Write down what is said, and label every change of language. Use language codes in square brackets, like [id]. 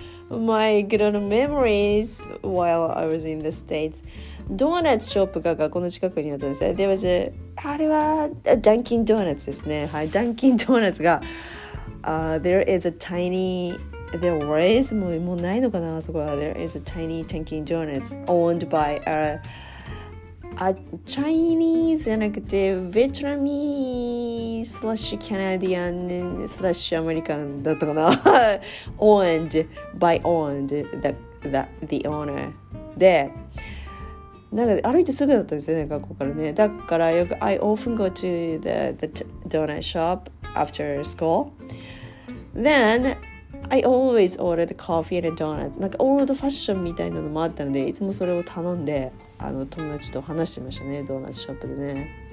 [en] My good memories while I was in the States. [ja] ドーナツショップがこの近くにあったんですね。 [en] There was a, [ja] あれはダンキンドーナツですね。はい、ダンキンドーナツが、 [en] There is a tiny, there was, もう [ja] ないのかな、そこは。 [en] There is a tiny Dunkin' Donuts owned by a Chinese, [ja] じゃなくて、 [en] Vietnamese / Canadian / American [ja] だったかな。 [en] owned by owned the owner で、 [ja] なんか歩いてすぐだったんですよね、学校からね。だからよく [en] I often go to the donut shop after school. Then I always ordered coffee and donuts. [ja] なんかオールドファッションみたいなのもあったので、いつもそれを頼んで、あの友達と話してましたね、ドーナツショップでね。